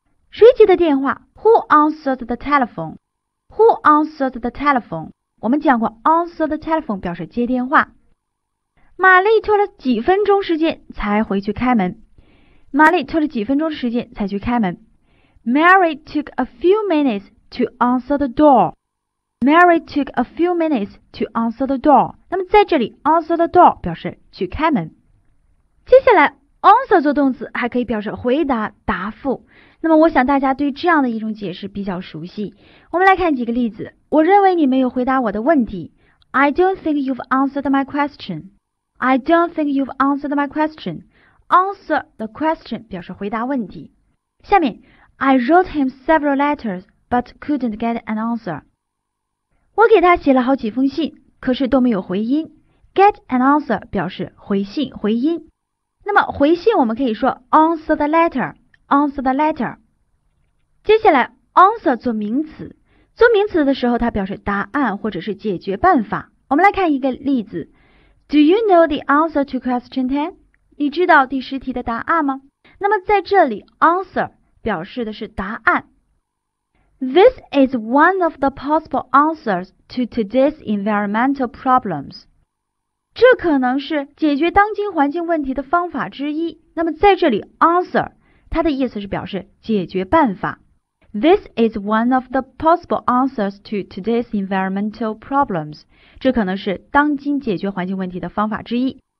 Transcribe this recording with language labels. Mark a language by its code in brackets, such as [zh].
[zh] 谁接的电话 [en] ?Who answered the telephone? Who answered the telephone? [zh] 我们讲过 [en] answer the telephone [zh] 表示接电话。玛丽拖了几分钟时间才回去开门。玛丽拖了几分钟的时间才去开门。 [en] Mary took a few minutes to answer the door. Mary took a few minutes to answer the door. [zh] 那么在这里 [en] answer the door [zh] 表示去开门。接下来 answer 做动词还可以表示回答、答复。那么我想大家对这样的一种解释比较熟悉。我们来看几个例子。我认为你没有回答我的问题。 [en] I don't think you've answered my question. I don't think you've answered my question. Answer the question [zh] 表示回答问题。下面 [en] I wrote him several letters but couldn't get an answer. [zh] 我给他写了好几封信，可是都没有回音。 [en] Get an answer [zh] 表示回信、回音。那么回信我们可以说 [en] answer the letter, answer the letter. [zh] 接下来 answer 做名词，做名词的时候它表示答案或者是解决办法。我们来看一个例子。 [en] Do you know the answer to question 10? [zh] 你知道第十题的答案吗？那么在这里 answer 表示的是答案。 [en] This is one of the possible answers to today's environmental problems. [zh] 这可能是解决当今环境问题的方法之一。那么在这里 answer 它的意思是表示解决办法。 [en] This is one of the possible answers to today's environmental problems. [zh] 这可能是当今解决环境问题的方法之一。